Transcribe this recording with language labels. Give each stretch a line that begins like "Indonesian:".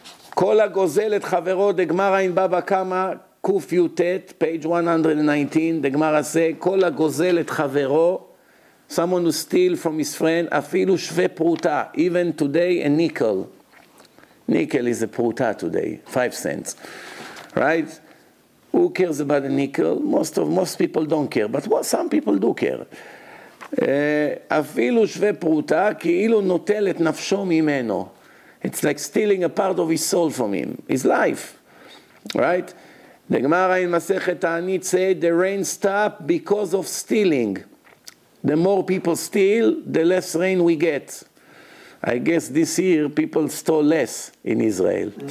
English: Kol ha-gozel et chavero, the Gemara in Baba Kama, Kuf Yutet, page 119, the Gemara say, Kol ha-gozel et chavero, someone who steals from his friend, afilu shve pruta, even today a nickel. Nickel is a pruta today, 5 cents. Right? Who cares about a nickel? Most people don't care, but some people do care.
Hebrew: אפילו שווה פרוטה כאילו נוטל את נפשו ממנו.
English: It's like stealing a part of his soul from him, his life, right? The Gemara in Masechet Ta'anit said the rain stopped because of stealing. The more people steal, the less rain we get. I guess this year people stole less in Israel.